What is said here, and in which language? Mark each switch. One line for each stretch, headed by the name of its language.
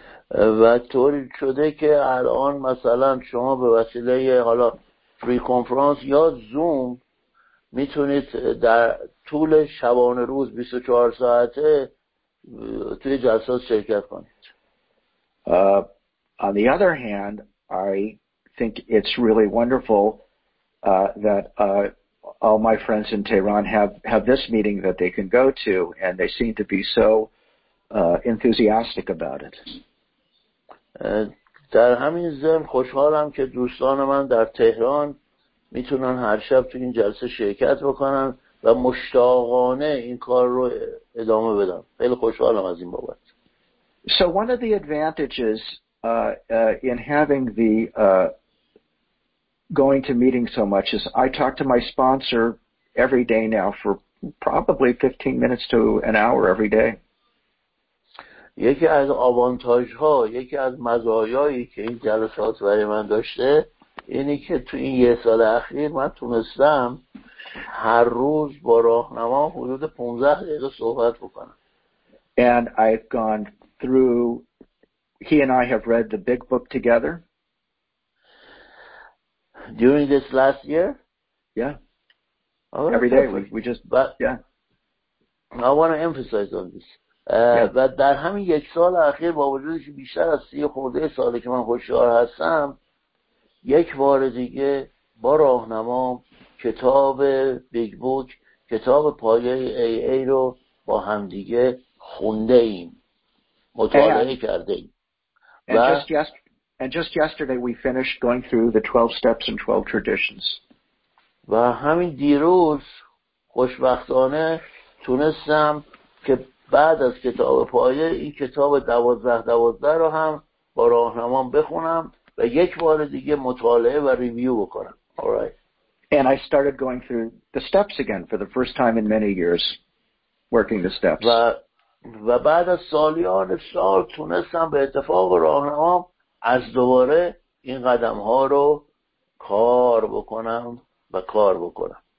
Persian: و طوری شده که الان مثلا شما به وسیله حالا فری کنفرانس یا زوم میتونید در طول شبانه روز 24 ساعته توی جلسات شرکت کنید.
English: On the other hand, I think it's really wonderful that all my friends in Tehran have this meeting that they can go to, and they seem to be so enthusiastic about it.
Persian: در همین ضمن خوشحالم که دوستان من در تهران میتونن هر شب تو این جلسه شرکت بکنن و مشتاقانه این کار رو ادامه بدن. خیلی خوشحالم از این بابت.
English: So one of the advantages in having the going to meetings so much is I talk to my sponsor every day now for probably 15 minutes to an hour every day.
Persian: یکی از آوانتاژها، یکی از مزایایی که این جلسات برای من داشته اینی که تو این یه سال اخیر من تونستم هر روز با راهنما حدود 15 دقیقه صحبت بکنم.
English: And I've gone through, he and I have read the big book together. During this last year? Yeah. Oh, every day. We just I want to emphasize on this.
Persian: و در همین یک سال اخیر با وجودی که بیشتر از 30 خورده سالی که من هوشیار هستم یک بار دیگه با راهنما کتاب بیگ بوک کتاب پایه ای ای رو با هم دیگه خونده ایم مطالعه کرده ایم
English: و And just yesterday we finished going through the 12 steps and 12 traditions.
Persian: و همین دیروز خوشبختانه تونستم که بعد از کتاب پایه این کتاب 12-12 رو هم با راهنمام بخونم و یک بار دیگه مطالعه و ریویو بکنم.
English: All right. And I started going through the steps again for the first time in many years working the steps.
Persian: و بعد از سالیان سال تونستم به اتفاق راهنمام از دوباره این قدم ها رو کار بکنم و کار بکنم.